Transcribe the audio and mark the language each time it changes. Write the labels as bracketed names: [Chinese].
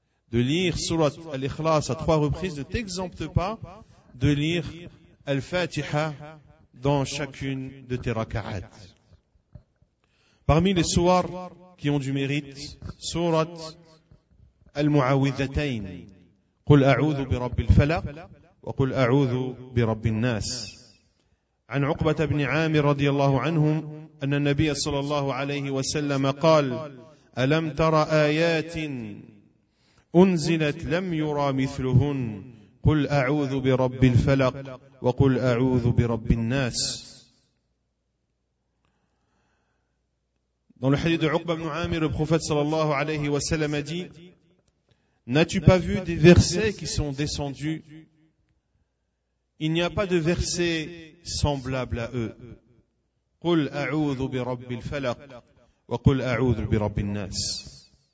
[French] De lire surat al-Ikhlas à trois reprises ne t'exempte pas de lire al-Fatiha dans chacune de tes raka'at. Parmi les sourates qui ont du mérite, surat al-Mu'awidhatayn, [Arabic] قُلْ أَعُوذُ بِرَبِّ الْفَلَقِ وَقُلْ أَعُوذُ بِرَبِّ النَّاسِ. عن عقبة بن عامر رضي الله عنهم أن النبي صلى الله عليه وسلم قال: ألم تر آيات أنزلت لم يرى مثلهن؟ قل أعوذ برب الفلق وقل أعوذ برب الناس. [French] Dans le hadith de عقبة بن عامر, le prophète صلى الله عليه وسلم a dit: n'as-tu pas vu des versets qui sont descendus? Il n'y a pas de verset semblable à eux. [Arabic] قُلْ أَعُوذُ بِرَبِّ الْفَلَقِ وَقُلْ أَعُوذُ بِرَبِّ النَّاسِ.